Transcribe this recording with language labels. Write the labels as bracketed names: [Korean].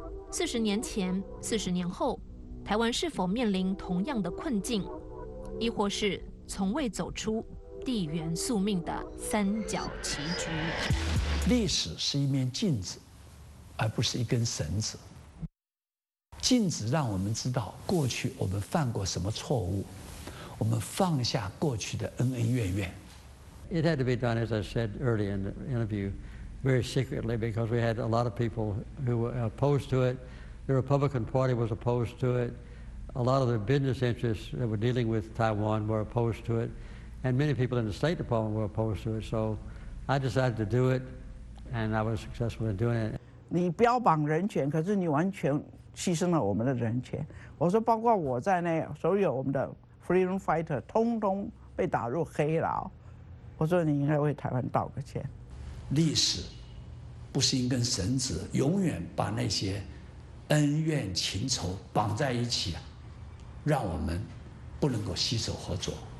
[Chinese] 四十年前，四十年后，台湾是否面临同样的困境，亦或是从未走出地缘宿命的三角棋局？历史是一面镜子，而不是一根绳子。镜子让我们知道过去我们犯过什么错误，我们放下过去的恩恩怨怨。 [English] It had to be done, as I said earlier in the interview. Very secretly, because we had a lot of people who were opposed to it. The Republican Party was opposed to it. A lot of the business interests that were dealing with Taiwan were opposed to it. And many people in the State Department were opposed to it. So I decided to do it, and I was successful in doing it. [Chinese] 你标榜人权，可是你完全牺牲了我们的人权。我说包括我在内，所有我们的 [English] freedom fighter [Chinese] 通通被打入黑牢。我说你应该为台湾道个歉。历史不是一根绳子，永远把那些恩怨情仇绑在一起，让我们不能够携手合作。